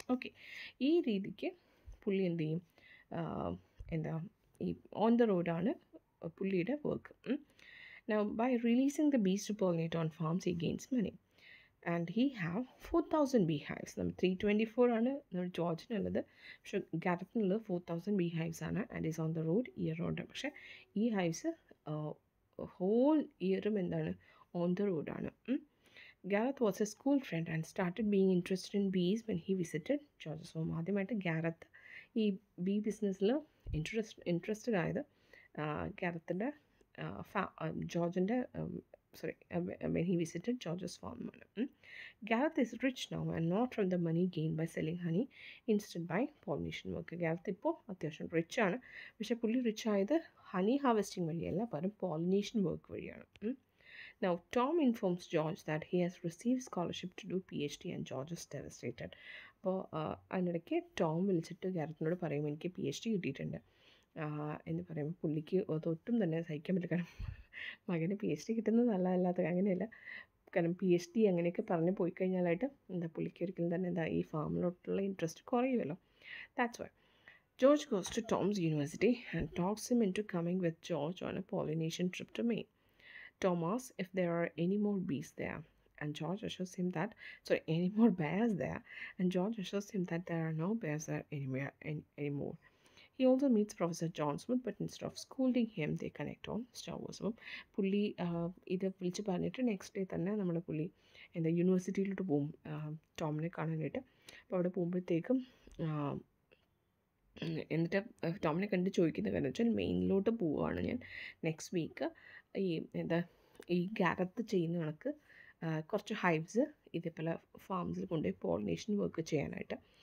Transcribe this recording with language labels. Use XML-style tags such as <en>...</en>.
<ml>Okay, ഈ രീതിക്ക് പുള്ളി എന്ത് ചെയ്യും, എന്താ ഈ ഓൺ ദ റോഡാണ് പുള്ളിയുടെ work.</ml> <en>Now, by releasing the bees to pollinate on farms, he gains money. And he have 4,000 beehives.</en> <ml>നമ്മൾ 324 ആണ് നമ്മൾ ജോർജിനുള്ളത്, പക്ഷേ ഗാരറ്റിനുള്ളത് 4,000 ബീഹൈവ്സ് ആണ്.</ml> <en>And is on the road year round.</en> <ml>പക്ഷേ ഈ ഹൈവ്സ് ഹോൾ ഇയറും എന്താണ് ഓൺ ദ റോഡാണ്.</ml> <en>Gareth was a school friend and started being interested in bees when he visited George's home.</en> <ml>ആദ്യമായിട്ട് ഗാരത്ത് ഈ ബീ ബിസിനസ്സിൽ ഇൻട്രസ്റ്റഡ് ആയത് ഗാരത്തിൻ്റെ ജോർജിൻ്റെ sorry</ml> <en>when he visited George's</en> <ml>ഫാമാണ്.</ml> <en>Gareth is rich now and not from the money gain by selling honey instead by pollination work.</en> <ml>ഗാരത്ത് ഇപ്പോൾ അത്യാവശ്യം rich ആണ്, പക്ഷേ പുള്ളി റിച്ച് ആയത് ഹണി ഹാർവെസ്റ്റിംഗ് വഴിയല്ല, പകരം പോളിനേഷൻ വർക്ക് വഴിയാണ്.</ml> <en>Now, Tom informs George that he has received scholarship to do PhD and George is devastated.</en> <ml>അപ്പോൾ അതിനിടയ്ക്ക് ടോം വിളിച്ചിട്ട് ഗാരറ്റിനോട് പറയും എനിക്ക് PhD കിട്ടിയിട്ടുണ്ട് എന്ന് പറയുമ്പോൾ പുള്ളിക്ക് അതൊട്ടും തന്നെ സഹിക്കാൻ പറ്റില്ല. കാരണം മകന് PhD കിട്ടുന്നത് നല്ലതല്ലാത്ത അങ്ങനെയല്ല, കാരണം PhD അങ്ങനെയൊക്കെ പറഞ്ഞ് പോയി കഴിഞ്ഞാലായിട്ട് എന്താ പുള്ളിക്ക് ഒരിക്കലും തന്നെ എന്താ ഈ ഫാമിലോട്ടുള്ള interest കുറയുമല്ലോ.</ml> <en>That's why George goes to Tom's university and talks him into coming with George on a pollination trip to Maine. Thomas, if there are any more bees there, and George assures him that, sorry, any more bears there, and George assures him that there are no bears there anymore. He also meets Professor John Smith, but instead of scolding him, they connect on Star Wars.</en> <ml>Pulli, ഇത് വിളിച്ച് പറഞ്ഞിട്ട് next day തന്നെ നമ്മുടെ പുള്ളി എന്താ യൂണിവേഴ്സിറ്റിയിലോട്ട് പോവും ടോമിനെ കാണാനായിട്ട്. അപ്പോൾ അവിടെ പോകുമ്പോഴത്തേക്കും എന്നിട്ട് ടോമിനെ കണ്ട് ചോദിക്കുന്ന കാര്യം വെച്ചാൽ മെയിനിലോട്ട് പോവുകയാണ് ഞാൻ നെക്സ്റ്റ് വീക്ക്. ഈ എന്താ ഈ ഗാരത്ത് ചെയ്യുന്ന കണക്ക് കുറച്ച് ഹൈവ്സ് ഇതേപോലെ ഫാംസിൽ കൊണ്ടുപോയി പോളിനേഷൻ വർക്ക് ചെയ്യാനായിട്ട്.</ml>